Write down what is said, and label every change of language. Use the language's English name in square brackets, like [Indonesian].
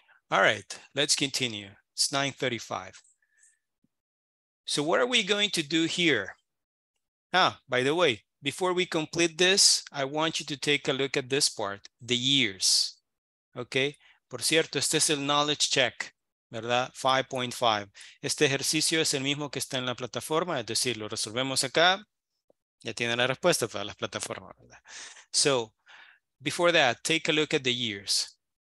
[English] All right, let's continue. It's 9:35. So what are we going to do here? Ah, by the way, before we complete this, I want you to take a look at this part, the years. Okay? [Spanish] Por cierto, este es el knowledge check, ¿verdad? 5.5. Este ejercicio es el mismo que está en la plataforma, es decir, lo resolvemos acá. Ya tiene la respuesta para las plataformas, ¿verdad? [English] So, before that, take a look at the years.